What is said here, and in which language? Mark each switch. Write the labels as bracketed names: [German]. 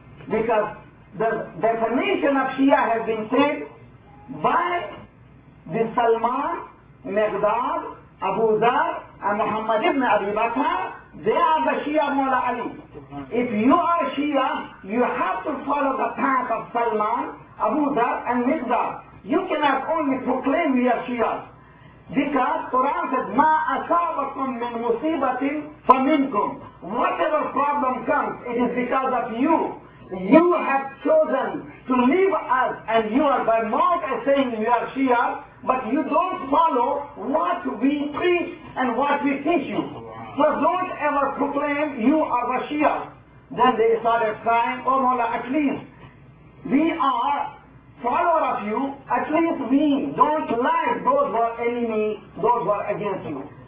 [English] Because the definition of Shia has been said by the Salman, Meghdad, Abu Dhar, and Muhammad ibn Abi Bakr. They are the Shia of Mawla Ali. If you are Shia, you have to follow the path of Salman, Abu Dhar, and Meghdad. You cannot only proclaim we are Shia. Because Quran says, [Arabic] مَا أَصَابَكُمْ مِنْ مُصِيبَةٍ فَمِنْكُمْ. [English] Whatever problem comes, it is because of you. You have chosen to leave us, and you are by mouth saying you are Shia, but you don't follow what we preach and what we teach you. So don't ever proclaim you are the Shia. Then they started crying, oh Mawla, at least we are follower of you, at least we don't like those who are enemy, those who are against you.